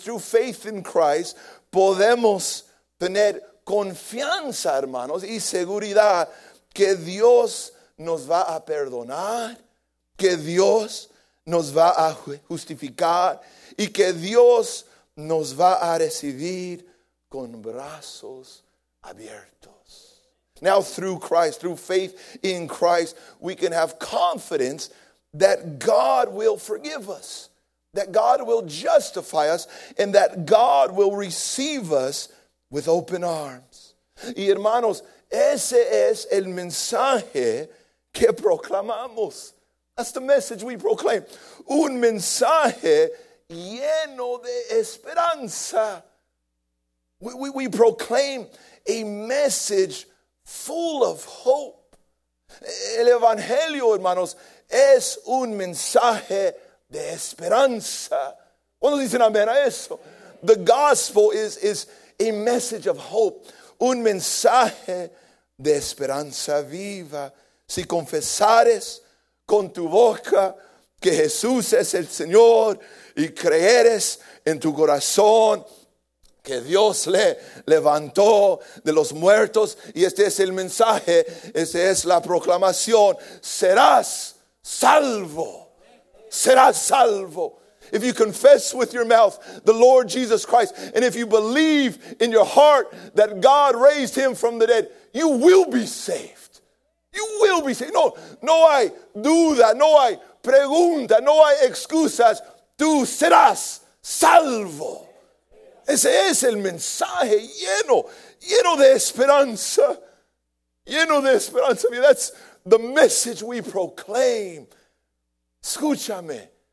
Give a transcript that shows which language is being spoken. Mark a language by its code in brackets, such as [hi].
[en] Through faith in Christ, [es] podemos tener confianza, hermanos, y seguridad que Dios nos va a perdonar, que Dios nos va a justificar y que Dios nos va a recibir con brazos abiertos. [en] Now through Christ, through faith in Christ, we can have confidence that God will forgive us, that God will justify us, and that God will receive us with open arms. [es] Y hermanos, ese es el mensaje que proclamamos. [en] That's the message we proclaim. [es] Un mensaje lleno de esperanza. [en] We proclaim a message full of hope. [es] El Evangelio, hermanos, es un mensaje de esperanza. ¿Cuántos dicen amén a eso? [en] The gospel is a message of hope. [es] Un mensaje de esperanza viva. Si confesares con tu boca que Jesús es el Señor y creeres en tu corazón que Dios le levantó de los muertos. Y este es el mensaje, esta es la proclamación: serás salvo, serás salvo. [en] If you confess with your mouth the Lord Jesus Christ, and if you believe in your heart that God raised him from the dead, you will be saved. You will be saved. [es] No hay duda, no hay pregunta, no hay excusas. Tú serás salvo. Ese es el mensaje lleno, lleno de esperanza. Lleno de esperanza. [en] That's the message we proclaim. [es] Escúchame.